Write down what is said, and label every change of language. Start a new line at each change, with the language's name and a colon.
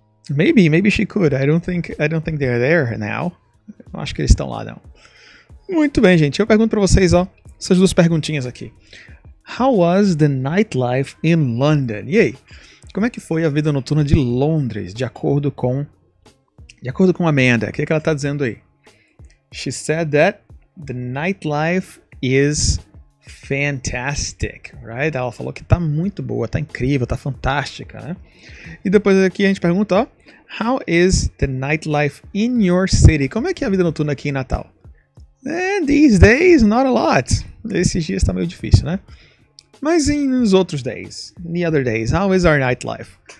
English: Maybe she could. I don't think they're there now.
Portuguese: Não acho que eles estão lá, não. Muito bem, gente. Eu pergunto pra vocês, ó, essas duas perguntinhas aqui.
English: How was the nightlife in London?
Portuguese: E aí? Como é que foi a vida noturna de Londres, de acordo com Amanda? O que é que ela tá dizendo aí?
English: She said that the nightlife is fantastic, right?
Portuguese: Ela falou que tá muito boa, tá incrível, tá fantástica, né? E depois aqui a gente pergunta, ó,
English: how is the nightlife in your city?
Portuguese: Como é que é a vida noturna aqui em Natal?
English: And these days, not a lot.
Portuguese: Esses dias tá meio difícil, né? Mas e nos outros
English: days? The other days, how is our nightlife?